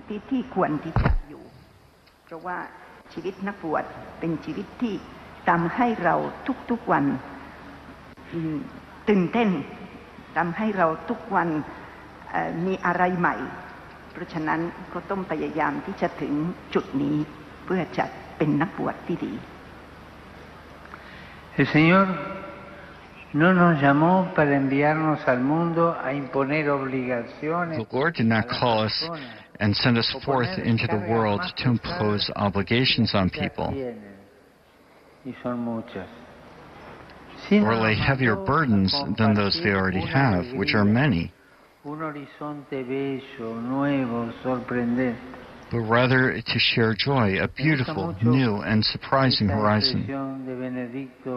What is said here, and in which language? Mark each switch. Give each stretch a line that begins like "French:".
Thai: ที่ควรที่จะอยู่เพราะว่าชีวิตนักบวชเป็นชีวิตที่ทำให้เราทุกๆวันตื่นเต้นทำให้เราทุกวันมีอะไรใหม่ เพราะฉะนั้นก็ต้องพยายามที่จะถึงจุดนี้เพื่อจะเป็นนักบวชที่ดี
Spanish: El Señor no nos llamó para enviarnos al mundo a imponer obligaciones.
English: The Lord did not call us and send us forth into the world to impose obligations on people or lay heavier burdens than those they already have, which are many, but rather to share joy, a beautiful, new, and surprising horizon.